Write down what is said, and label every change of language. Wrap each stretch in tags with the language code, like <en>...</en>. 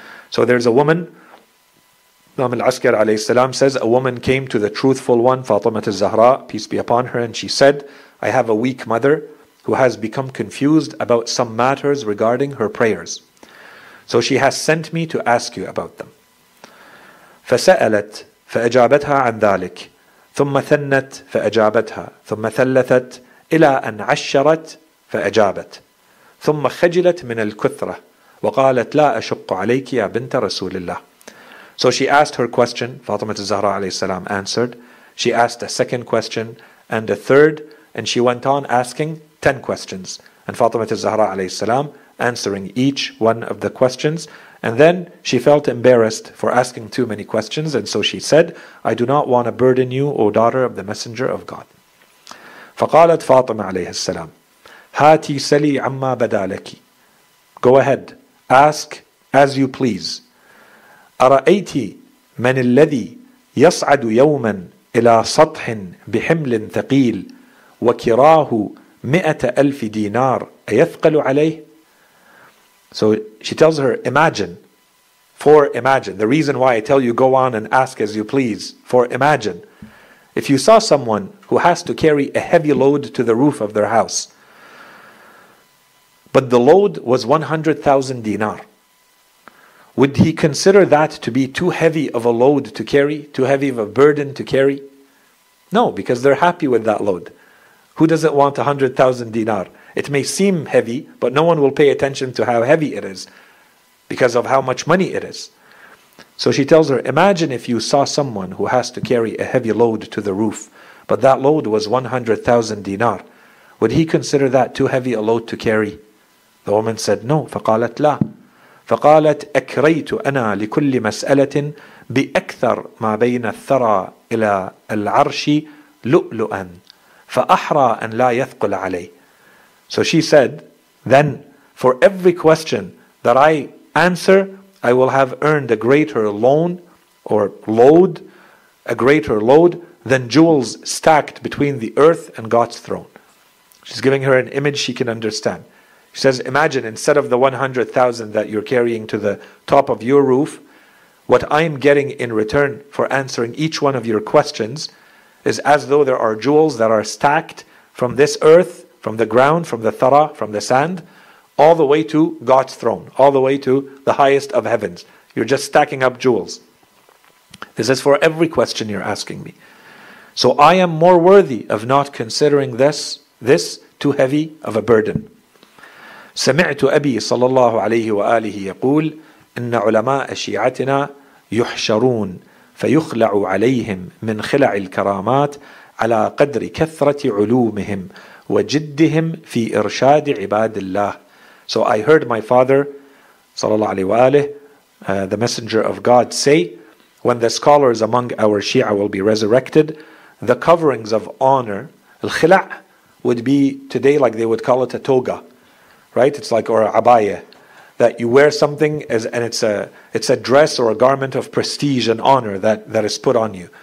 <en>So there's a woman, Imam al-Askar alayhi salam says, a woman came to the truthful one, Fatimah al-Zahra, peace be upon her, and she said, I have a weak mother who has become confused about some matters regarding her prayers. So she has sent me to ask you about them.</en> <ar>فسألت فأجابتها عن ذلك ثم ثنت فأجابتها ثم ثلثت إلى أن عشرت فأجابت ثم خجلت من الكثرة وقالت لا أشق عليك يا بنت رسول الله.</ar> <en>So she asked her question, Fatima al-Zahra alayhi salam answered. She asked a second question and a third, and she went on asking 10 questions. And Fatima al-Zahra alayhi salam answering each one of the questions. And then she felt embarrassed for asking too many questions, and so she said, I do not want to burden you, O daughter of the Messenger of God.</en> <ar>فقالت فاطمة عليه السلام هاتي سلي عما بدا لك.</ar> <en>Go ahead, ask as you please.</en> <ar>أرأيت من الذي يصعد يوما إلى سطح بحمل ثقيل وكراه 100,000 دينار أيثقل عليه.</ar> <en>So she tells her, imagine, the reason why I tell you go on and ask as you please, for imagine, if you saw someone who has to carry a heavy load to the roof of their house, but the load was 100,000 dinar, would he consider that to be too heavy of a load to carry, too heavy of a burden to carry? No, because they're happy with that load. Who doesn't want 100,000 dinar? It may seem heavy, but no one will pay attention to how heavy it is because of how much money it is. So she tells her, imagine if you saw someone who has to carry a heavy load to the roof, but that load was 100,000 dinar. Would he consider that too heavy a load to carry? The woman said, no.</en> <ar>فقالت لا. فقالت أكريت أنا لكل مسألة بأكثر ما بين الثرى إلى العرش لؤلؤا فأحرى أن لا يثقل عليه.</ar> <en>So she said, then for every question that I answer, I will have earned a greater loan or load, a greater load than jewels stacked between the earth and God's throne. She's giving her an image she can understand. She says, imagine instead of the 100,000 that you're carrying to the top of your roof, what I'm getting in return for answering each one of your questions is as though there are jewels that are stacked from this earth from the ground, from the thara, from the sand, all the way to God's throne, all the way to the highest of heavens. You're just stacking up jewels. This is for every question you're asking me. So I am more worthy of not considering this too heavy of a burden.</en> <ar>سمعت أبي صلى الله عليه وآله يقول إن علماء شيعتنا يحشرون فيخلع عليهم من خلع الكرامات على قدر كثرة علومهم وجدهم في إرشاد عباد الله.</ar> <en>So I heard my father</en> <ar>صلى الله عليه وآله,</ar> <en>the messenger of God, say, when the scholars among our Shia will be resurrected, the coverings of honor, الخلع, would be today like they would call it a toga, right? It's like, or a abaya, that you wear something as, and it's a dress or a garment of prestige and honor that is put on you.</en>